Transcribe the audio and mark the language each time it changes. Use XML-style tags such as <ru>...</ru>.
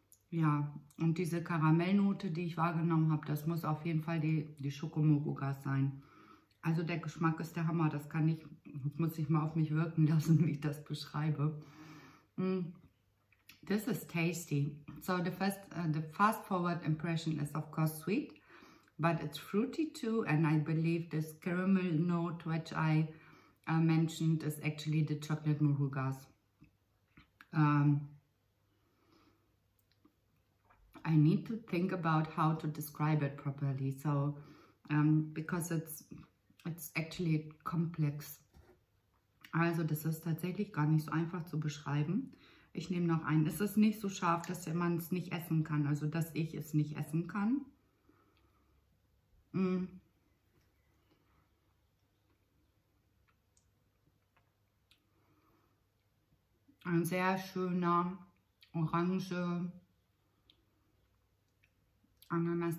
<de>Ja, und diese Karamellnote, die ich wahrgenommen habe, das muss auf jeden Fall die Schokomorugas sein. Also der Geschmack ist der Hammer. Das kann ich, muss ich mal auf mich wirken lassen, wie ich das beschreibe.</de> <en>This is tasty. So the fast forward impression is of course sweet. But it's fruity too, and I believe this caramel note, which I mentioned, is actually the chocolate morugas. I need to think about how to describe it properly, so because it's actually complex.</en> <de>Also, das ist tatsächlich gar nicht so einfach zu beschreiben. Ich nehme noch einen. Es ist nicht so scharf, dass man es nicht essen kann, also dass ich es nicht essen kann. Ein sehr schöner Orange Ananas.</de>